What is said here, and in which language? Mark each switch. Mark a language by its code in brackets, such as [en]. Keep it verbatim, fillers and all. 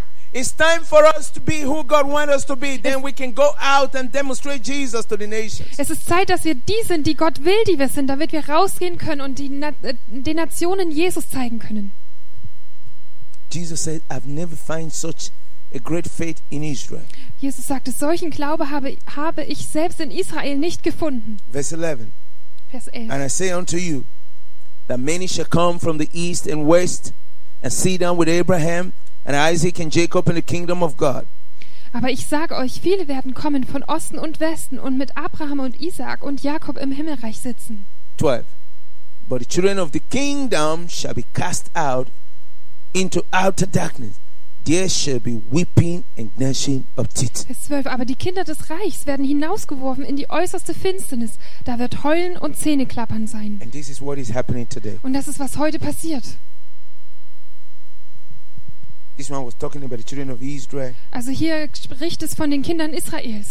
[en] It's time for us to be who God wants us to be. Then [de] Es [en] we can go out and demonstrate Jesus to the nations. [de] Es ist Zeit, dass wir die sind, die Gott will, die wir sind, damit wir rausgehen können und die Na-, äh, den Nationen Jesus zeigen können. [en] Jesus said, "I've never find such a great faith in Israel. [de] Jesus sagte, solchen Glaube habe, habe ich selbst in Israel nicht gefunden. [en] Verse eleven. [de] Vers elf. [en] And I say unto you that many shall come from the east and west and see them with Abraham and Isaac and Jacob in the kingdom of God. [de] Aber ich sage euch, viele werden kommen von Osten und Westen und mit Abraham und Isaak und Jakob im Himmelreich sitzen. [en] Twelve. But the children of the kingdom shall be cast out into outer darkness. There shall be weeping and gnashing of teeth. [de] Vers zwölf, aber die Kinder des Reichs werden hinausgeworfen in die äußerste Finsternis. Da wird Heulen und Zähneklappern sein. [en] And this is what is happening today. [de] Und das ist, was heute passiert. [en] This man was talking about the children of Israel. [de] Also hier spricht es von den Kindern Israels.